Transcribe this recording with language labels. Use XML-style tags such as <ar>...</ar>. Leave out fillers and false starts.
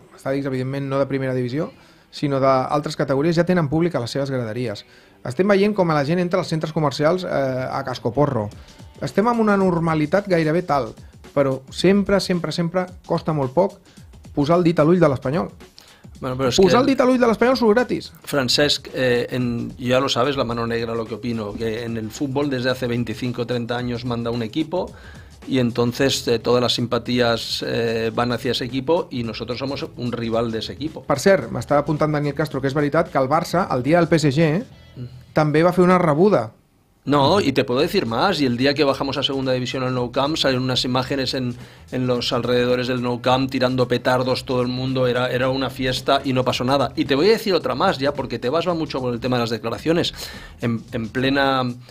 <ca>Estadis, evidentment, no de primera divisió, sinó d'altres categories, ja tenen públic a les seves graderies. Estem veient com la gent entra als centres comercials a cascoporro. Estem amb una normalitat gairebé tal, però sempre costa molt poc posar el dit a l'ull de l'Espanyol. Bueno, però és posar que... el dit a l'ull de l'Espanyol surt gratis.</ca> <es>Francesc, ja lo sabes, la mano negra, lo que opino, que en el fútbol desde hace 25 o 30 años manda un equipo... Y entonces todas las simpatías van hacia ese equipo y nosotros somos un rival de ese equipo.</es> <ca>Per cert, m'estava apuntant Daniel Castro, que és veritat que el Barça, el dia del PSG, també va fer una rebuda.</ca> <es>No, y te puedo decir más, y el día que bajamos a segunda división al Nou Camp salen unas imágenes en los alrededores del Nou Camp tirando petardos, todo el mundo, era una fiesta y no pasó nada. Y te voy a decir otra más ya, porque Tebas va mucho con el tema de las declaraciones, en plena...</es>